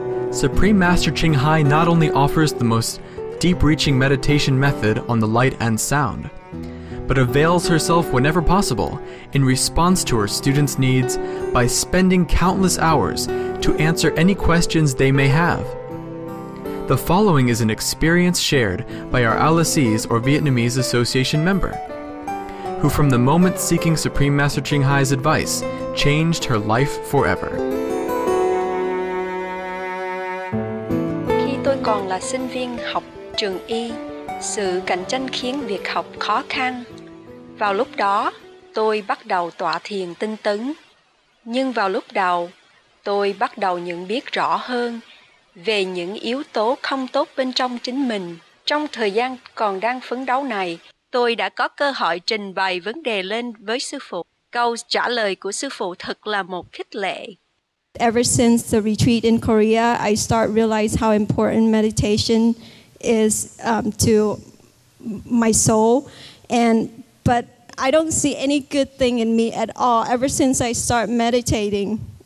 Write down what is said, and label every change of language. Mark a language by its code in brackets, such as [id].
[en] Supreme Master Ching Hai not only offers the most deep-reaching meditation method on the light and sound, but avails herself whenever possible in response to her students' needs by spending countless hours to answer any questions they may have. The following is an experience shared by our Alice's or Vietnamese Association member, who from the moment seeking Supreme Master Ching Hai's advice, changed her life forever. [vi] Khi tôi còn là sinh viên học trường y, sự cạnh tranh khiến việc học khó khăn. Vào lúc đó, tôi bắt đầu tọa thiền tinh tấn. Nhưng vào lúc đầu, tôi bắt đầu nhận biết rõ hơn về những yếu tố không tốt bên trong chính mình. Trong thời gian còn đang phấn đấu này, tôi đã có cơ hội trình bày vấn đề lên với sư phụ. Câu trả lời của sư phụ thật là một khích lệ. [en] Ever since the retreat in Korea, I start realize how important meditation is to my soul. But I don't see any good thing in me at all ever since I start meditating.